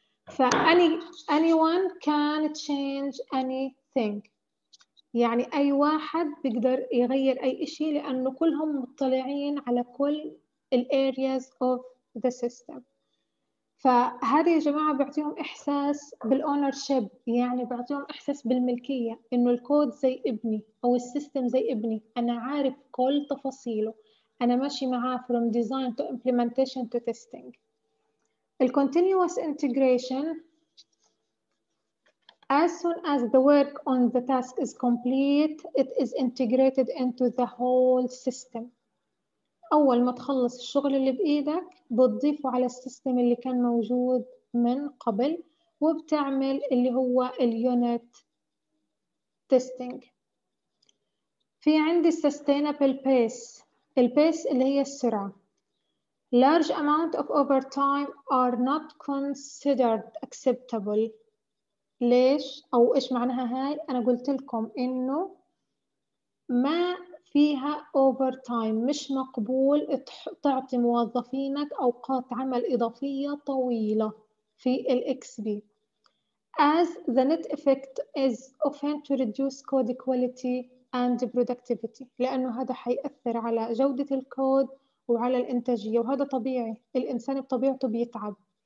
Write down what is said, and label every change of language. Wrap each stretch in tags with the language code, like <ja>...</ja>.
<ar>فأني</ar> <en>anyone can change anything،</en> <ar>يعني أي واحد بيقدر يغير أي إشي لأنه كلهم مطلعين على كل</ar> <en>the areas of the system.</en> <ar>فهذه يا جماعة بيعطيهم إحساس بالownership، يعني بيعطيهم إحساس بالملكية، إنه الكود زي ابني أو السيستم زي ابني، أنا عارف كل تفاصيله، أنا ماشي معاه</ar> <en>from design to implementation to testing. الـ continuous integration as soon as the work on the task is complete it is integrated into the whole system.</en> <ar>أول ما تخلص الشغل اللي بإيدك بتضيفه على السيستم اللي كان موجود من قبل وبتعمل اللي هو اليونت تيستينج. في عندي sustainable pace. البيس اللي هي السرعة.</ar> <en>large amount of overtime are not considered acceptable.</en> <ar>ليش أو إيش معناها هاي؟ أنا قلت لكم إنه ما فيها اوفر تايم، مش مقبول تعطي موظفينك اوقات عمل اضافيه طويله في الاكس بي.</ar> <en>as the net effect is often to reduce code quality and productivity،</en> <ar>لانه هذا حيأثر على جوده الكود وعلى الانتاجيه، وهذا طبيعي، الانسان بطبيعته بيتعب.</ar>